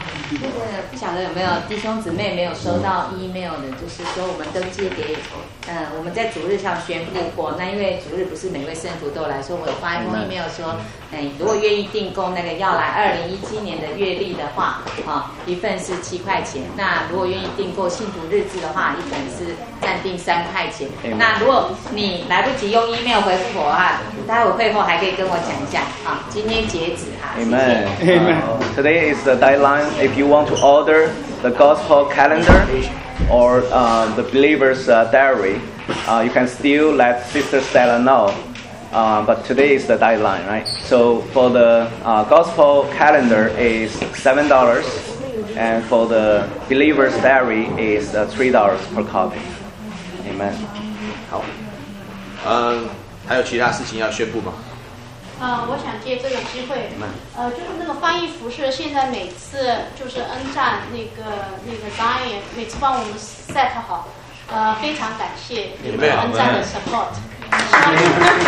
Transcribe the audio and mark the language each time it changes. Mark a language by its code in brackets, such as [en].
[zh] 就是不晓得有没有弟兄姊妹没有收到 email 的，就是说我们登记给我们在主日上宣布过，那因为主日不是每位圣徒都来，说我有发一封 email 说，如果愿意订购那个要来2017年的月历的话，一份是7块钱，那如果愿意订购信徒日志的话，一份是暂定3块钱。那如果你来不及用 email 回复我的话，待会会后还可以跟我讲一下，今天截止哈。 [en] Amen. Today is the deadline. If you want to order the gospel calendar or the believer's diary, you can still let Sister Stella know. But today is the deadline, right? So for the gospel calendar is $7, and for the believer's diary is $3 per copy. Amen. [zh] 好，还有其他事情要宣布吗？我想借这个机会，就是那个翻译服饰，现在每次就是恩赞那个 Zion 每次帮我们 set 好，非常感谢你恩赞的 support。